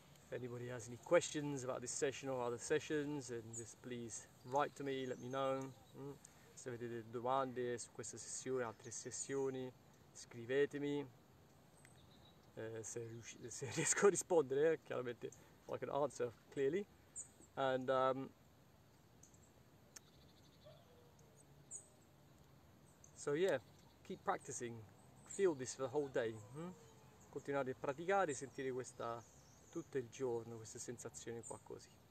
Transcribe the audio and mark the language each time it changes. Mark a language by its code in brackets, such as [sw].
[en] If anybody has any questions about this session or other sessions, then just please write to me, let me know. [it] Se avete delle domande su questa sessione, altre sessioni, scrivetemi. Se riesco a rispondere, chiaramente, [en] if I can answer clearly. And so yeah, keep practicing, feel this for the whole day. [it] Continuate a praticare, sentire questa tutto il giorno, queste sensazioni qua così.